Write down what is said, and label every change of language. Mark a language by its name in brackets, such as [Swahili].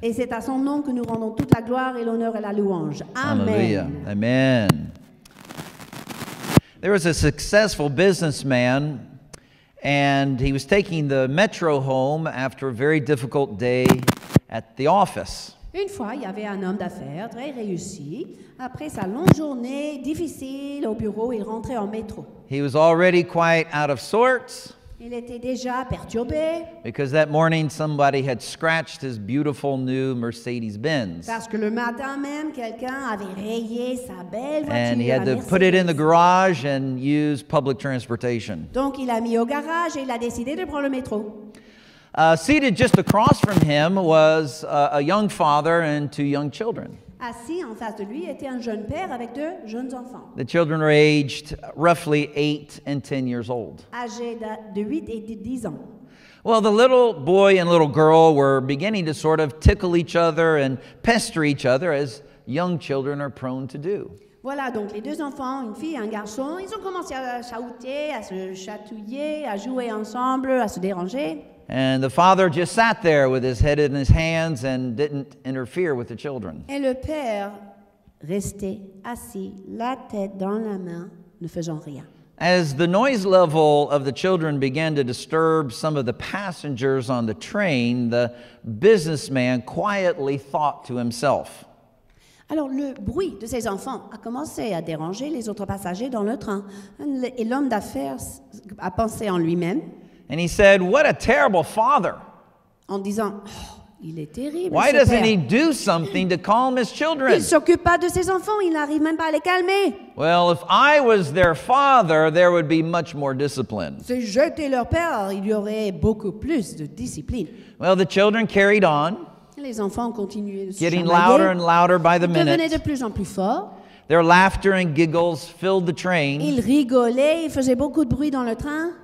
[French] Et c'est à son nom que nous rendons toute la gloire et l'honneur et la louange. Amen. Amen. [English] There was a successful businessman. And he was taking the metro home after a very difficult day at the office. [French] Une fois, il y avait un homme d'affaires très réussi. Après sa longue journée difficile au bureau, il rentrait en métro. [English] He was already quite out of sorts. [French] Il était déjà perturbé. [English] Because that morning, somebody had scratched his beautiful new Mercedes-Benz. [French] Parce que le matin même, quelqu'un avait rayé sa belle voiture. [English] And he had to put it in the garage and use public transportation. [French] Donc, il a mis au garage et il a décidé de prendre le métro. [English] Seated just across from him was a young father and two young children. [French] Assis en face de lui était un jeune père avec deux jeunes enfants. [English] The children were aged roughly 8 and 10 years old. [French] Âgés de 8 et de 10 ans. [English] Well, the little boy and little girl were beginning to sort of tickle each other and pester each other as young children are prone to do. [French] Voilà, donc les deux enfants, une fille et un garçon, ils ont commencé à chahuter, à se chatouiller, à jouer ensemble, à se déranger. [English] And the father just sat there with his head in his hands and didn't interfere with the children. [French] Et le père restait assis, la tête dans la main, ne faisant rien. [English] As the noise level of the children began to disturb some of the passengers on the train, the businessman quietly thought to himself. [French] Alors le bruit de ses enfants a commencé à déranger les autres passagers dans le train. Et l'homme d'affaires a pensé en lui-même. [English] And he said, "What a terrible father." [French] En disant, oh, il est terrible, [English] why doesn't [French] père. [English] He do something to calm his children? [French] Il s'occupe pas de ses enfants, il n'arrive même pas à les calmer. [English] Well, if I was their father, there would be much more discipline. [French] Si j'étais leur père, il y aurait beaucoup plus de discipline. [English] Well, the children carried on. [French] Les enfants continuaient de se [English] getting louder and louder by the [French] devenaient [English] minute. [French] De plus en plus fort. [English] Their laughter and giggles filled the train. [French] Ils rigolaient, ils faisaient beaucoup de bruit dans le train.